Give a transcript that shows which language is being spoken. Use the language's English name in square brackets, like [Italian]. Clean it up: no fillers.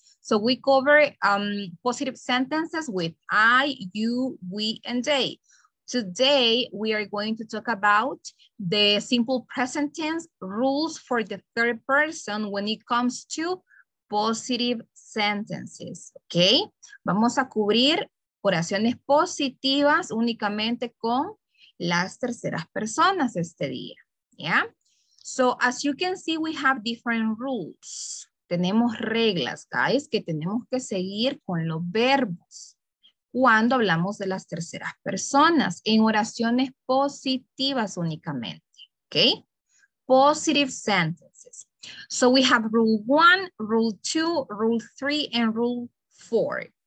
[English] So we cover positive sentences with I, you, we, and they. Today, we are going to talk about the simple present tense rules for the third person when it comes to positive sentences, okay? [Spanish] Vamos a cubrir oraciones positivas únicamente con las terceras personas este día, yeah? [English] So as you can see, we have different rules. [Spanish] Tenemos reglas, guys, que tenemos que seguir con los verbos cuando hablamos de las terceras personas en oraciones positivas únicamente, okay? [English] Positive sentences. So we have rule one, rule two, rule three, and rule four.